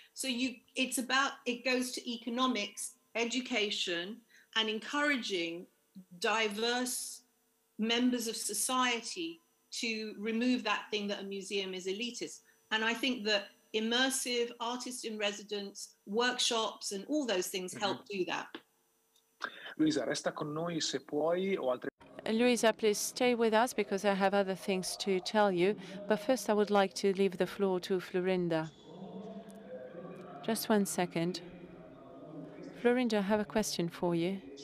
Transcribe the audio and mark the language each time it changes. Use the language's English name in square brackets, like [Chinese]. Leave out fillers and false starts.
[English] So you, it's about, it goes to economics, education, and encouraging diverse members of society to remove that thing that a museum is elitist. And I think that immersive artist in residence workshops and all those things help do that. [Italian] Luisa, resta con noi se puoi o altre. [English] Luisa, please stay with us because I have other things to tell you. But first, I would like to leave the floor to Florinda. Just one second. Florinda, I have a question for you.